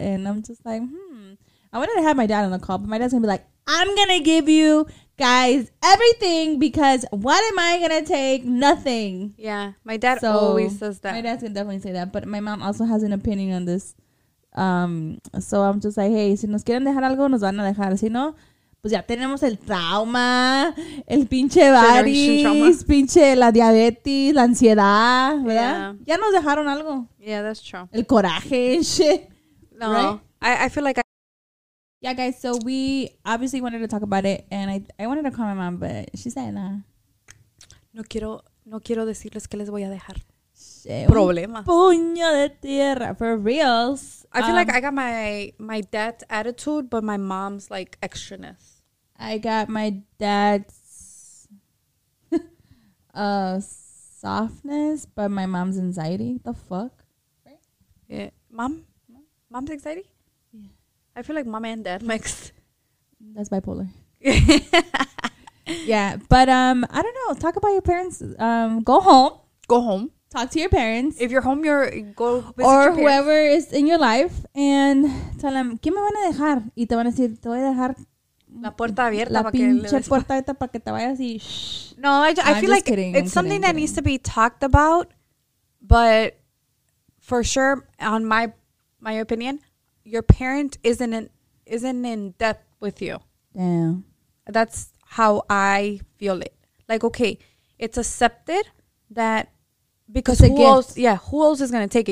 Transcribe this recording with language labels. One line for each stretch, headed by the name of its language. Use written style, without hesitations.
English: And I'm just like, I wanted to have my dad on the call, but my dad's gonna be like, I'm gonna give you guys everything because what am I gonna take? Nothing. Yeah, my dad always says that. My dad's gonna definitely say that, but my mom also has an opinion on this. So I'm just like, hey,
Spanish: si nos quieren dejar algo, nos van a dejar. Si no, pues ya tenemos el trauma, el pinche varis, pinche la diabetes, la ansiedad, ¿verdad? Yeah. Ya nos dejaron algo.
English: Yeah, that's true.
Spanish: El coraje, shit.
English: No, right? I feel like Yeah, guys, so we obviously wanted to talk about it, and I wanted to call my mom, but she said,
Spanish: No quiero decirles que les voy a dejar. Problema. Puño de tierra,
English: for reals. I feel like I got my dad's attitude, but my mom's, like, extraness. I got my dad's softness, but my mom's anxiety. The fuck? Yeah. Mom? Mom's anxiety? I feel like mom and dad mixed. That's bipolar. Yeah, but I don't know. Talk about your parents. Go home. Talk to your parents. If you're home, go visit or your whoever is in your life and tell them,
Spanish: ¿qué me van a dejar? Y te van a decir, te voy a dejar la puerta abierta. La pinche puerta abierta para que te vayas y shh.
English: No, I feel like kidding, it's something kidding. That needs to be talked about, but for sure, on my opinion, your parent isn't in debt with you. Damn. That's how I feel it. Like, okay, it's accepted that because it's who else is going to take it?